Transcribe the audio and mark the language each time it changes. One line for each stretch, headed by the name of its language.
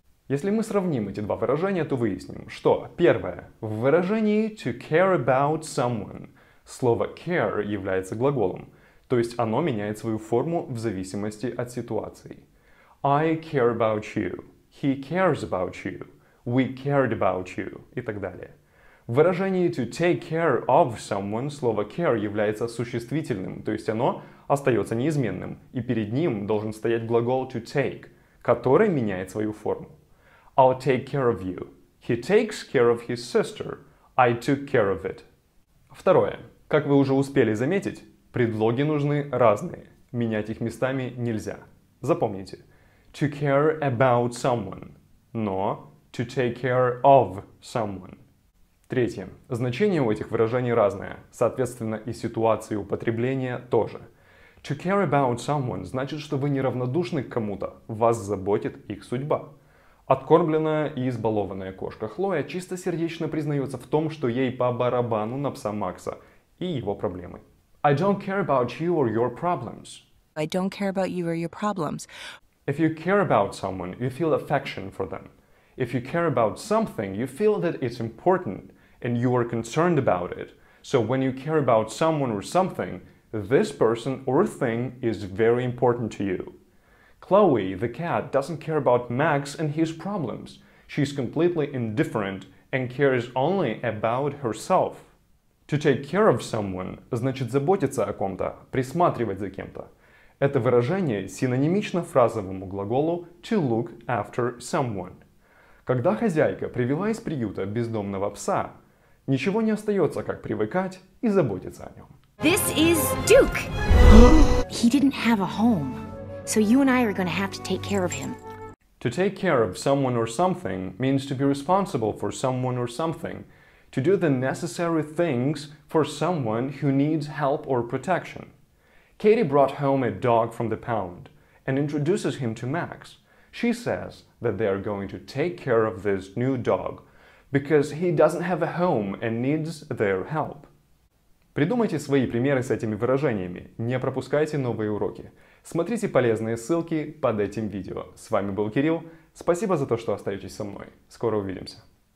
Russian: Если мы сравним эти два выражения, то выясним, что первое, в выражении
English: to care about someone
Russian: слово care является глаголом, то есть оно меняет свою форму в зависимости от ситуации.
English: I care about you, he cares about you, we cared about you
Russian: и так далее. В выражении
English: to take care of someone
Russian: слово care является существительным, то есть оно остается неизменным, и перед ним должен стоять глагол
English: to take,
Russian: который меняет свою форму.
English: I'll take care of you. He takes care of his sister. I took care of it.
Russian: Второе. Как вы уже успели заметить, предлоги нужны разные. Менять их местами нельзя. Запомните.
English: To care about someone.
Russian: Но
English: to take care of someone.
Russian: Третье. Значение у этих выражений разное. Соответственно, и ситуации употребления тоже.
English: To care about someone
Russian: значит, что вы неравнодушны к кому-то. Вас заботит их судьба. Откормленная и избалованная кошка Хлоя чистосердечно признается в том, что ей по барабану на пса Макса и его проблемы.
English: I don't care about you or your problems. I don't care about you or your problems. If you care about someone, you feel affection for them. If you care about something, you feel that it's important and you are concerned about it. So when you care about someone or something, this person or thing is very important to you. Chloe, the cat, doesn't care about Max and his problems. She's completely indifferent and cares only about herself. To take care of someone
Russian: значит заботиться о ком-то, присматривать за кем-то. Это выражение синонимично фразовому глаголу
English: to look after someone.
Russian: Когда хозяйка привела из приюта бездомного пса, ничего не остается, как привыкать и заботиться о нем.
English: This is Duke. He didn't have a home, so you and I are going to have to take care of him. To take care of someone or something means to be responsible for someone or something, to do the necessary things for someone who needs help or protection. Katie brought home a dog from the pound and introduces him to Max. She says that they are going to take care of this new dog because he doesn't have a home and needs their help.
Russian: Придумайте свои примеры с этими выражениями. Не пропускайте новые уроки. Смотрите полезные ссылки под этим видео. С вами был Кирилл. Спасибо за то, что остаетесь со мной. Скоро увидимся.